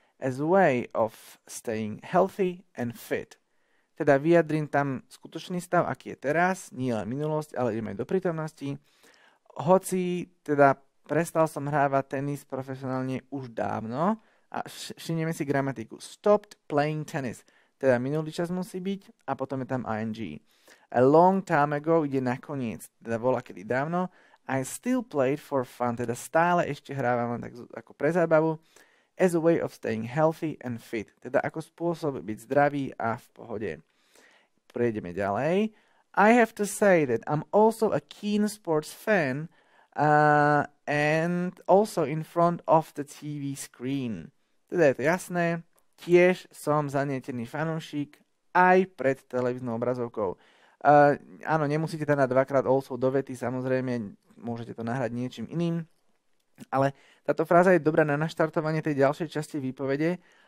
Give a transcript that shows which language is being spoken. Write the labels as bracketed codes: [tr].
[en] as a way of staying healthy and fit. [sk] Teda vyjadrím tam skutočný stav, aký je teraz, nie len minulosť, ale ideme aj do prítomnosti. Hoci teda prestal som hrávať tenis profesionálne už dávno, a všimneme si gramatiku. [en] Stopped playing tennis. [sk] Teda minulý čas musí byť a potom je tam ing. [en] A long time ago [sk] ide na koniec, teda bola kedy dávno. [en] I still played for fun, [sk] teda stále ešte hrávam len tak ako pre zábavu. [en] As a way of staying healthy and fit. [sk] Teda ako spôsob byť zdravý a v pohode. Prejdeme ďalej. [en] I have to say that I'm also a keen sports fan and also in front of the TV screen. [sk] Teda je to jasné. Tiež som zanietený fanúšik aj pred televíznou obrazovkou. Áno, nemusíte teda dvakrát also do vety, samozrejme, môžete to nahrať niečím iným. Ale táto fráza je dobrá na naštartovanie tej ďalšej časti výpovede.